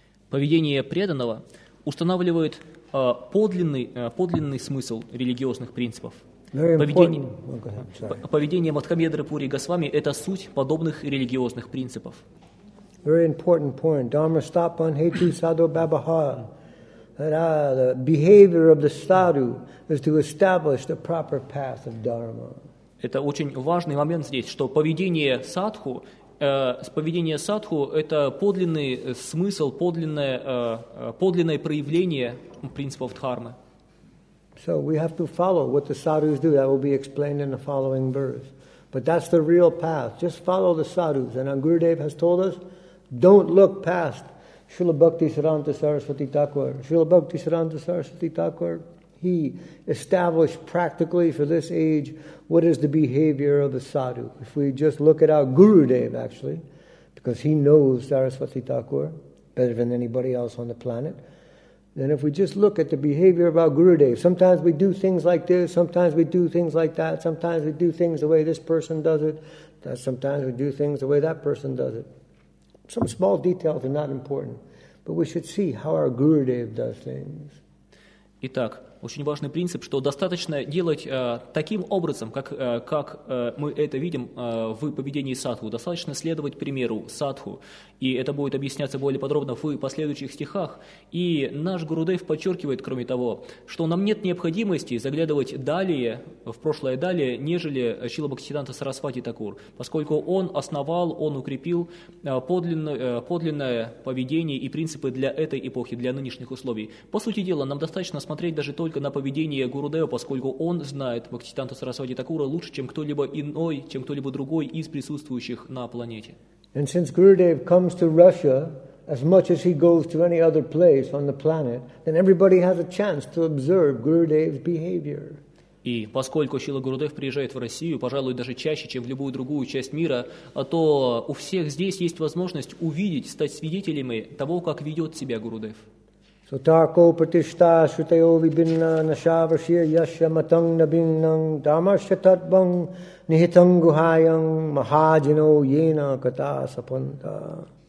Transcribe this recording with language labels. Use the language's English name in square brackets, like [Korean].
[Russian] Поведение преданного устанавливает подлинный смысл религиозных принципов. Поведение Мадхамьядры Пури Госвами – это суть подобных религиозных принципов. [English] Very important point. [Sanskrit] Dharma stapan hetu sadhu babahar. [English] The behavior of the sadhu is to establish the proper path of dharma. [Russian] Это очень важный момент здесь, что поведение садху, это подлинный смысл, подлинное проявление принципов дхармы. [English] So we have to follow what the sadhus do. That will be explained in the following verse. But that's the real path. Just follow the sadhus. And Gurudev has told us, don't look past Srila Bhakti Siddhanta Saraswati Thakur. Srila Bhakti Siddhanta Saraswati Thakur, he established practically for this age what is the behavior of a sadhu. If we just look at our Gurudev, actually, because he knows Saraswati Thakur better than anybody else on the planet, then if we just look at the behavior of our Gurudev, sometimes we do things like this, sometimes we do things like that, sometimes we do things the way this person does it, sometimes we do things the way that person does it. Some small details are not important, but we should see how our Gurudev does things. [Russian] Итак, очень важный принцип, что достаточно делать таким образом, как мы это видим в поведении садху. Достаточно следовать примеру садху, и это будет объясняться более подробно в последующих стихах. И наш Гурудев подчеркивает, кроме того, что нам нет необходимости заглядывать далее, в прошлое далее, нежели Шрила Бхактисиддханта Сарасвати Такур, поскольку он основал, он укрепил подлинное поведение и принципы для этой эпохи, для нынешних условий. По сути дела, нам достаточно смотреть даже только на поведение Гурудева, поскольку он знает Бхактисиддханта Сарасвати Такура лучше, чем кто-либо иной, чем кто-либо другой из присутствующих на планете. [English] And since Gurudev comes to Russia as much as he goes to any other place on the planet, then everybody has a chance to observe Gurudev's behavior. [Russian] И поскольку Шрила Гурудев приезжает в Россию, пожалуй, даже чаще, чем в любую другую часть мира, то у всех здесь есть возможность увидеть, стать свидетелями того, как ведет себя Гурудев. [Sanskrit] So tarko pratishta shrutayo vibhinna nashavashya yasya matang nabhinnang dharmashyatatvang nihitang guhayang mahajino yena kata sapanta.